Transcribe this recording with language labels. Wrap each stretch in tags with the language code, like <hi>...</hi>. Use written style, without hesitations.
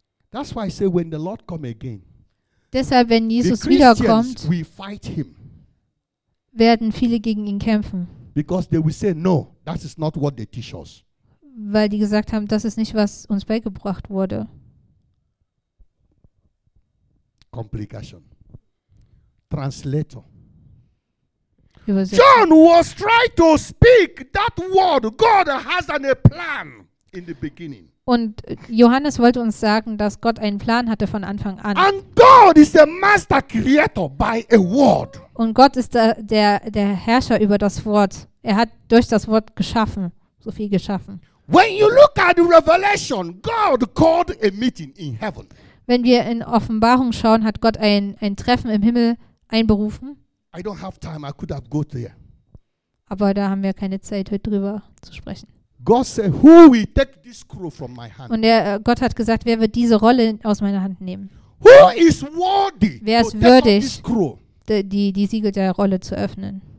<en>That's why I say when the Lord come again.</en> <de>Deshalb, wenn Jesus</de> <en>the</en> <de>wiederkommt,</de> <en>will fight him.</en> <de>Werden viele gegen ihn kämpfen.</de> <en>Because they will say, no, that is not what they teach us.</en> <de>Weil die gesagt haben, das ist nicht, was uns beigebracht wurde.</de> <en>Complication. Translator.</en> <de>Übersetzung.</de> <en>John was trying to speak that word. God has a plan in the beginning.</en> <de>Und Johannes wollte uns sagen, dass Gott einen Plan hatte von Anfang an.</de> <en>And God is the master creator by a word.</en> <de>Und Gott ist der Herrscher über das Wort. Er hat durch das Wort geschaffen, so viel geschaffen.</de> <en>When you look at the revelation, God called a meeting in heaven.</en> <de>Wenn wir in Offenbarung schauen, hat Gott ein Treffen im Himmel einberufen.</de> <en>I don't have time, I could have got there.</en> <de>Aber da haben wir keine Zeit, heute drüber zu sprechen.</de> <en>God said, who will take this scroll from my hand?</en> <de>Und Gott hat gesagt, wer wird diese Rolle aus meiner Hand nehmen?</de> <en>Who is worthy?</en> <de>Wer ist würdig, die Siegel der Rolle zu öffnen?</de>